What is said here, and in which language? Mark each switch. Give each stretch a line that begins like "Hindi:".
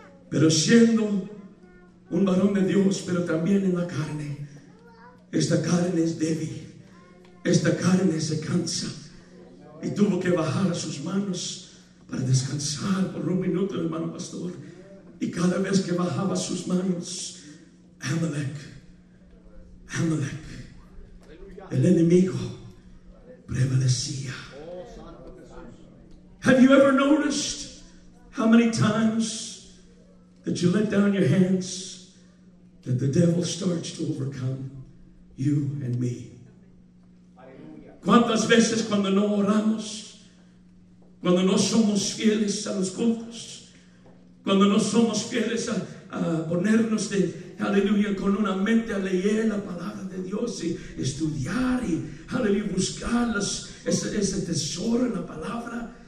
Spanish: Pero siendo un varón de Dios, pero también en la carne, esta carne es débil, esta carne se cansa, y tuvo que bajar sus manos para descansar por un minuto, hermano pastor. Y cada vez que bajaba sus manos, Amalek, el enemigo prevalecía.
English: Have you ever noticed how many times that you let down your hands, that the devil starts to overcome you and me?
Spanish: ¿Cuántas veces cuando no oramos, cuando no somos fieles a los cultos, cuando no somos fieles a ponernos de, aleluya, con una mente a leer la palabra de Dios y estudiar y, aleluya, buscar ese tesoro en la palabra?